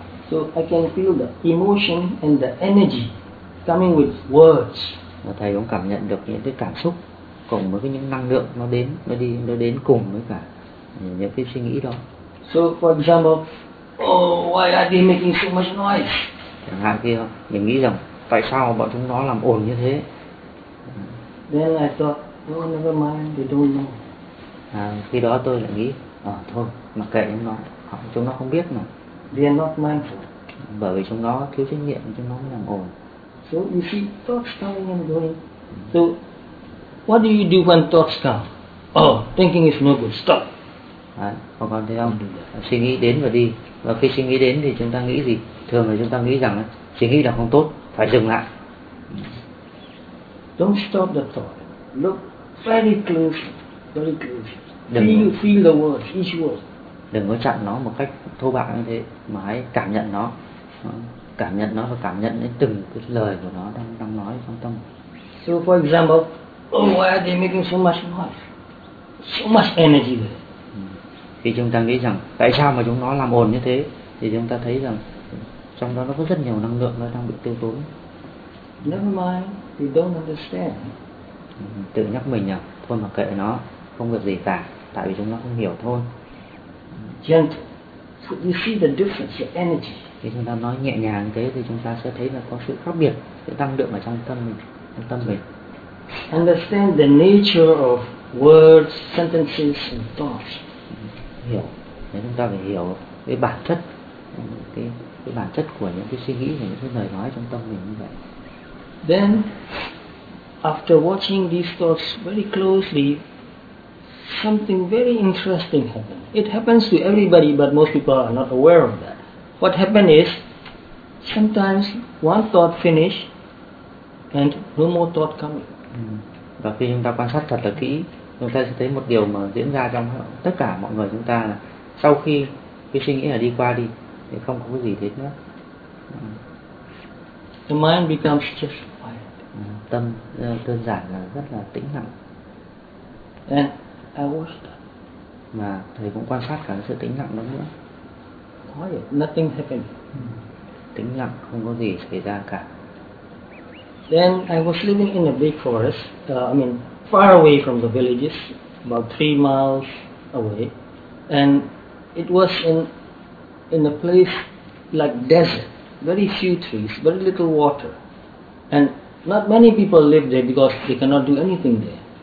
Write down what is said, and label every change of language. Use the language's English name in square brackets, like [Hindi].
[English] So I can feel the emotion and the energy coming with words. [Vietnamese] Và thầy cũng cảm nhận được những cái cảm xúc cùng với cái những năng lượng nó đến, nó đi, nó đến cùng với cả những cái suy nghĩ đó. [English] So for example, why are they making so much noise? [Vietnamese] Chẳng hạn kia, mình nghĩ rằng tại sao bọn chúng nó làm ồn như thế? [English] Then I thought, oh, never mind, they don't know. [Vietnamese] À, khi đó tôi lại nghĩ, thôi, mặc kệ chúng nó, chúng nó không biết mà. [English] They are not mindful. [Vietnamese] Bởi vì chúng nó thiếu trách nhiệm, chúng nó làm ồn. [English] So you see, thoughts coming and going. So, what do you do when thoughts come? Thinking is no good, stop. [Vietnamese] Đấy, có con thấy không? Suy nghĩ đến và đi. Và khi suy nghĩ đến thì chúng ta nghĩ gì? Thường là chúng ta nghĩ rằng, suy nghĩ là không tốt, phải dừng lại. [English] Don't stop the thought. Look very close, very close. Feel the words, each word. [Vietnamese] Đừng có chặn nó một cách thô bạo như thế, mà hãy cảm nhận nó. Cảm nhận nó và cảm nhận đến từng cái lời của nó đang nói trong tâm. [English] So for example, why are they making so much noise? So much energy. [Vietnamese] Khi chúng ta nghĩ rằng tại sao mà chúng nó làm ồn như thế, thì chúng ta thấy rằng trong đó nó có rất nhiều năng lượng nó đang bị tiêu tốn. [English] Never mind, you don't understand. [Vietnamese] Tự nhắc mình nhỉ, thôi mà kệ nó, không được gì cả, tại vì chúng nó không hiểu thôi. [English] Gentle. So you see the difference, the energy. [Vietnamese] Khi chúng ta nói nhẹ nhàng thế thì chúng ta sẽ thấy là có sự khác biệt, sự tăng lượng ở trong tâm mình, trong tâm mình. [English] Understand the nature of words, sentences and thoughts. [Vietnamese] Hiểu, nếu chúng ta phải hiểu cái bản chất, cái bản chất của những cái suy nghĩ, những cái lời nói trong tâm mình như vậy. [English] Then, after watching these thoughts very closely, something very interesting happened. It happens to everybody, but most people are not aware of that. What happened is, sometimes one thought finish, and no more thought coming. [Vietnamese] Và khi chúng ta quan sát thật là kỹ, chúng ta sẽ thấy một điều mà diễn ra trong tất cả mọi người chúng ta là sau khi cái suy nghĩ là đi qua đi, thì không có gì thế nữa. [English] The mind becomes just quiet. [Vietnamese] Tâm đơn giản là rất là tĩnh lặng. [English] And I watched. [Vietnamese] Mà thầy cũng quan sát cả sự tĩnh lặng đó nữa. [English] Quiet, nothing happened. [Vietnamese] Tĩnh lặng, không có gì xảy ra cả. [English] Then I was living in a big forest, far away from the villages, about 3 miles away, and it was in a place like desert, very few trees, very little water, and not many people live there because they cannot do anything there.